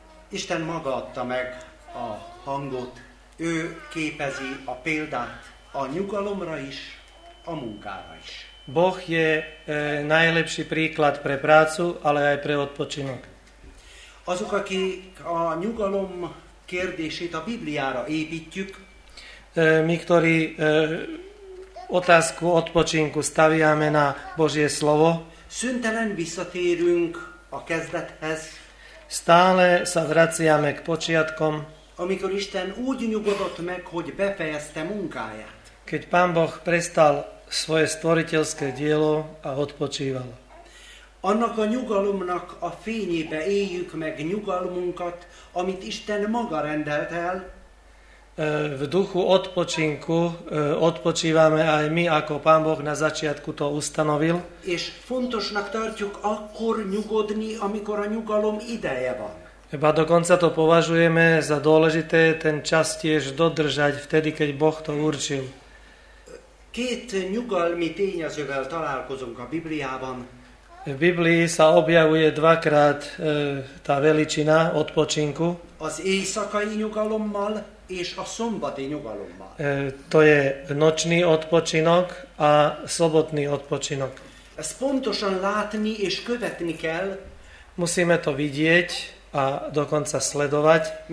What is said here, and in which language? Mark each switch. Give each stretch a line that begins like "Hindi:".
Hungarian: Isten maga adta meg a hangot, ő képezi a példát a nyugalomra is, a munkára is.
Slovak: Boh je najlepší príklad pre prácu, ale aj pre odpočinok.
Hungarian: Azok, akik a nyugalom kérdését a Bibliára építjük,
Slovak: my, ktorí otázku odpočinku staviame na Božie slovo,
Hungarian: szüntelen visszatérünk a kezdethez,
Slovak: stále sa vraciame k počiatkom,
Hungarian: amikor Isten úgy nyugodott meg, hogy befejezte munkáját.
Slovak: Keď Pán Boh prestal svoje stvoriteľské dielo a odpočíval.
Hungarian: Annak a nyugalomnak a fényébe éljük meg nyugalmunkat, amit Isten maga rendelt el.
Slovak: V duchu odpočinku odpočívame aj my, ako Pán Boh na začiatku to ustanovil.
Hungarian: És fontosnak tartjuk akkor nyugodni, amikor a nyugalom ideje van.
Slovak: Eba dokonca to považujeme za dôležité ten čas tiež dodržať vtedy, keď Boh to určil.
Hungarian: Két nyugalmi tényezővel találkozunk a Bibliában.
Slovak: V Biblii sa objavuje dvakrát tá veličina odpočinku.
Hungarian: Az éjszakai nyugalommal és a szombati nyugalommal.
Slovak: To je nočný odpočinok a sobotný odpočinok.
Hungarian: Ezt pontosan látni és követni kell.
Slovak: Musíme to vidieť a dokonca sledovať.